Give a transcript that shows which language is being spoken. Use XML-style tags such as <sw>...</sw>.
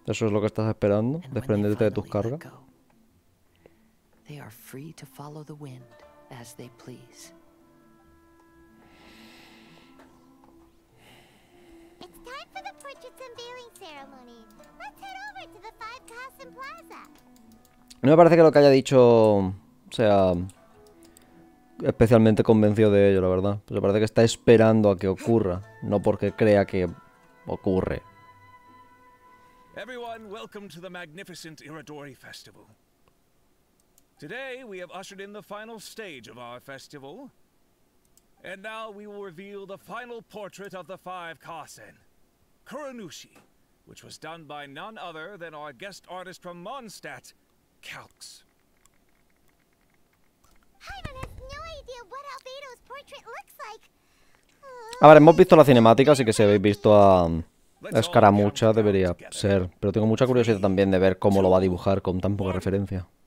<es>¿Eso es lo que estás esperando? ¿Desprenderte de tus cargas?</es> <en>They are free to follow the wind as they please. It's time for the portraits unveiling ceremony. Let's head over to the Five Kasen Plaza.</en> <es>No me parece que lo que haya dicho sea especialmente convencido de ello, la verdad. Pues me parece que está esperando a que ocurra, no porque crea que ocurre.</es> <en>Everyone, welcome to the magnificent Irodori Festival. Today, we have ushered in the final stage of our festival. And now we will reveal the final portrait of the Five Kasen, Kurunushi, which was done by none other than our guest artist from Mondstadt, Calx. Paimon has no idea what Albedo's portrait looks like.</en> <es>A ver, hemos visto la cinemática, así que si habéis visto a Escaramucha, debería ser. Pero tengo mucha curiosidad también de ver cómo lo va a dibujar con tan poca referencia.</es>